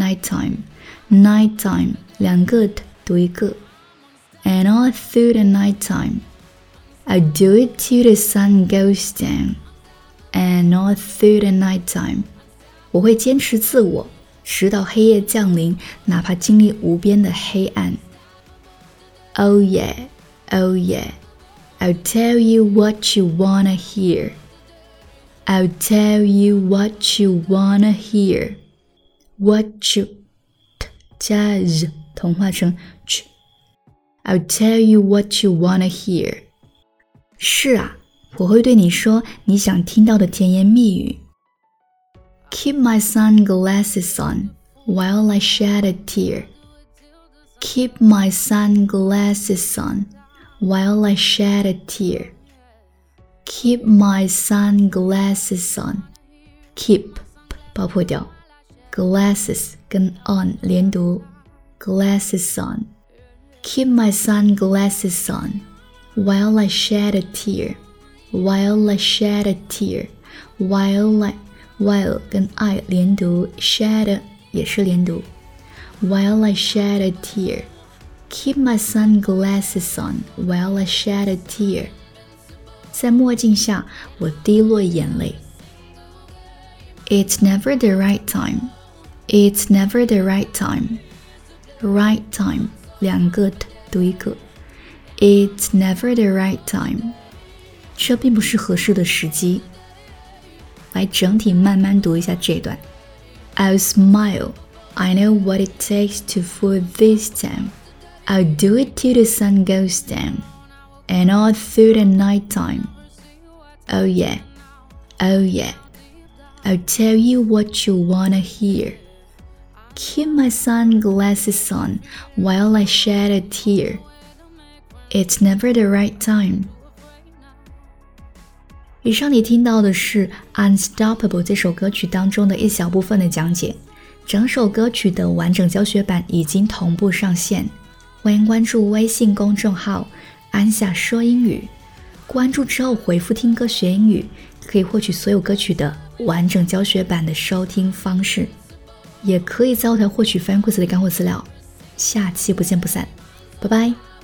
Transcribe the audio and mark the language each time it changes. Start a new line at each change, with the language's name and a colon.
English: and all through the night time
Chinese: 两个 t 读一个
English: and all through the night time I'll do it till the sun goes down and all through the night time
Chinese: 我会坚持自我直到黑夜降临，哪怕经历无边的黑暗。
English: I'll tell you what you wanna hear. I'll tell you what you wanna hear. What you
Chinese: t 加 z 同化成 ch.
English: I'll tell you what you wanna hear.
Chinese: 是啊，我会对你说你想听到的甜言蜜语。
English: Keep my sunglasses on while I shed a tear. Keep my sunglasses on. While I shed a tear, keep my sunglasses on. Keep 爆破掉 glasses 跟 on 连读 glasses on. Keep my sunglasses on while I shed a tear. While I shed a tear. While
Chinese: 跟 I 连读 shed 也是连读
English: While I shed a tear. Keep my sunglasses on while I shed a tear.
Chinese: 在墨镜下我滴落眼泪。
English: It's never the right time. It's never the right time. Right time,
Chinese: 两个 t 读一个。
English: It's never the right time.
Chinese: 这并不是合适的时机。来整体慢慢读一下这段。
English: I'll smile. I know what it takes to fool this town. I'll do it till the sun goes down. And all through the night time. Oh yeah. Oh yeah. I'll tell you what you wanna hear. Keep my sunglasses on while I shed a tear. It's never the right time.
Chinese: 以上你听到的是 Unstoppable 这首歌曲当中的一小部分的讲解，整首歌曲的完整教学版已经同步上线，欢迎关注微信公众号安夏说英语，关注之后回复听歌学英语，可以获取所有歌曲的完整教学版的收听方式，也可以在后台获取翻译故事的干货资料，下期不见不散，拜拜。